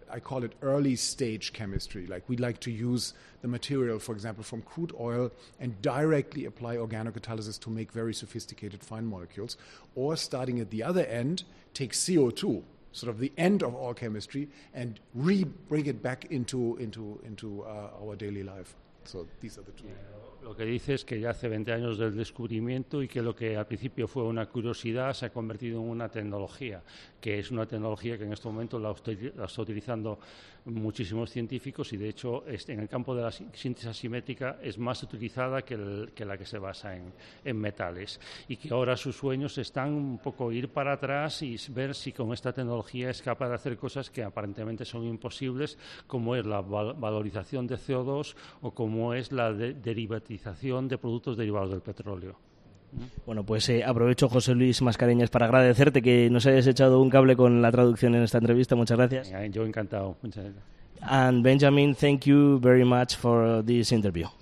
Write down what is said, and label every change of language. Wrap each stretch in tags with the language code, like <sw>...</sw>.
<en>I call it early stage chemistry. Like we like to use the material, for example, from crude oil and directly apply organocatalysis to make very sophisticated fine molecules. Or starting at the other end, take CO2, sort of the end of all chemistry, and re-bring it back into our daily life. So these are the two.</en> <es>Lo que dice es que ya hace 20 años del descubrimiento y que lo que al principio fue una curiosidad se ha convertido en una tecnología, que es una tecnología que en este momento la está utilizando muchísimos científicos y, de hecho, en el campo de la síntesis asimétrica es más utilizada que la que se basa en metales. Y que ahora sus sueños están un poco ir para atrás y ver si con esta tecnología es capaz de hacer cosas que aparentemente son imposibles, como es la valorización de CO2 o como es la derivación de productos derivados del petróleo. Bueno, pues aprovecho, José Luis Mascareñas, para agradecerte que nos hayas echado un cable con la traducción en esta entrevista. Muchas gracias. Yo encantado. Muchas gracias.</es> <en>And Benjamin, thank you very much for this interview.</en>